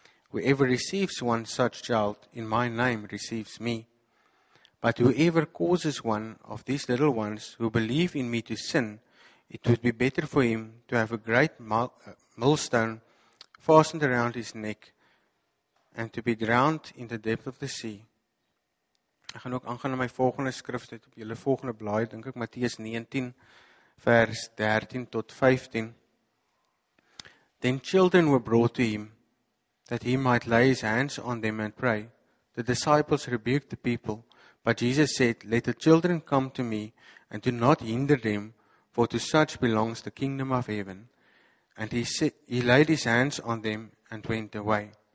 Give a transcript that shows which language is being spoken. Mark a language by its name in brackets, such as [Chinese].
[English] Whoever receives one such child in my name receives me. But whoever causes one of these little ones who believe in me to sin, it would be better for him to have a great millstone fastened around his neck and to be drowned in the depth of the sea. [Afrikaans] Ek gaan ook aangaan na my volgende skrif, dit op julle volgende blaai, denk ek, Matteus 19 vers 13 tot 15. [English] Then children were brought to him that he might lay his hands on them and pray. The disciples rebuked the people But Jesus said, let the children come to me and do not hinder them, for to such belongs the kingdom of heaven. And he laid his hands on them and went away.